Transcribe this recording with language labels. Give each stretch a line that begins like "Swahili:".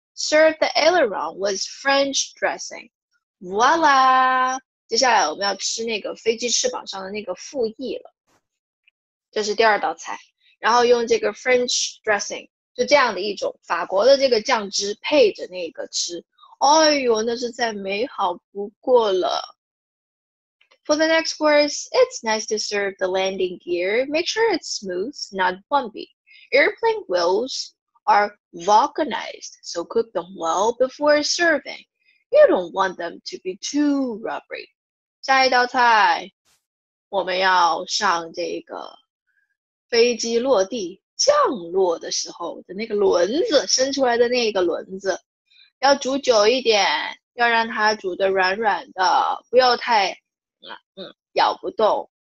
English: Serve the aileron with French dressing. Voila!
Chinese: 接下来我们要吃那个飞机翅膀上的那个副翼了，这是第二道菜。然后用这个 French dressing， 就这样的一种法国的这个酱汁配着那个吃，哎呦，那是再美好不过了。
English: For the next course, it's nice to serve the landing gear. Make sure it's smooth, not bumpy. Airplane wheels are vulcanized, so cook them well before serving. You don't want them to be too rubbery.
Chinese: 下一道菜，我们要上这个飞机落地降落的时候的那个轮子，伸出来的那个轮子，要煮久一点，要让它煮得软软的，不要太咬不动。